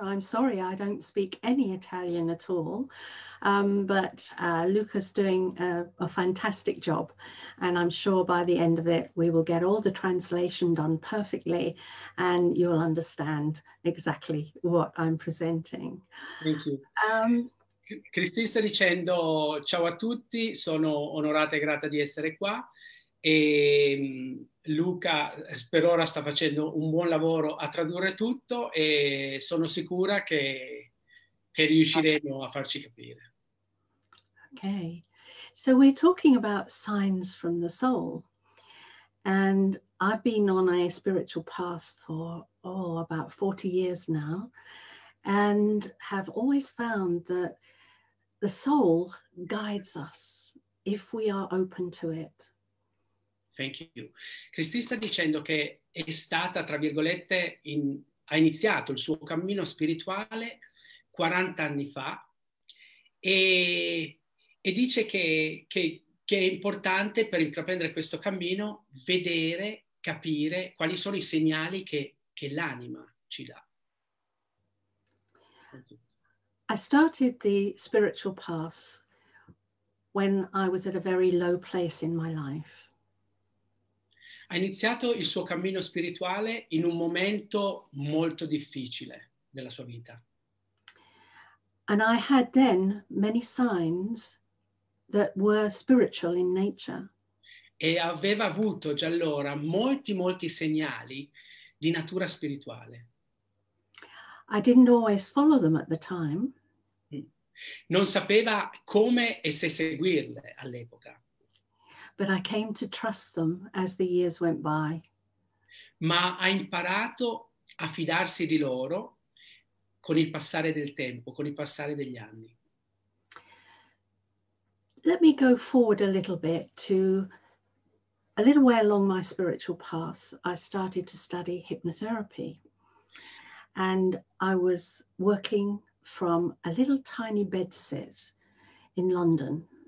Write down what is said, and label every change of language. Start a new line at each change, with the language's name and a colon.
English: I'm sorry I don't speak any Italian at all, but Luca's doing a fantastic job, and I'm sure by the end of it we will get all the translation done perfectly and you'll understand exactly what I'm presenting. Thank you.
Italian: Christine sta dicendo ciao a tutti, sono onorata e grata di essere qua. E Luca per ora sta facendo un buon lavoro a tradurre tutto e sono sicura che riusciremo a farci capire.
English: Okay, so we're talking about signs from the soul, and I've been on a spiritual path for about 40 years now, and have always found that the soul guides us if we are open to it. Thank you.
Italian: Cristina sta dicendo che è stata, tra virgolette, ha iniziato il suo cammino spirituale 40 anni fa, e dice che è importante per intraprendere questo cammino vedere, capire quali sono i segnali che l'anima ci dà.
English: I started the spiritual path when I was at a very low place in my life.
Italian: Ha iniziato il suo cammino spirituale in un momento molto difficile della sua vita.
English: And I had then many signs that were spiritual in nature.
Italian: E aveva avuto già allora molti, molti segnali di natura spirituale.
English: I didn't always follow them at the time.
Italian: Non sapeva come e se seguirle all'epoca.
English: But I came to trust them as the years went by.
Italian: Ma ha imparato a fidarsi di loro con il passare del tempo, con il passare degli anni.
English: Let me go forward a little bit to a little way along my spiritual path. I started to study hypnotherapy, and I was working from a little tiny bedsit in London.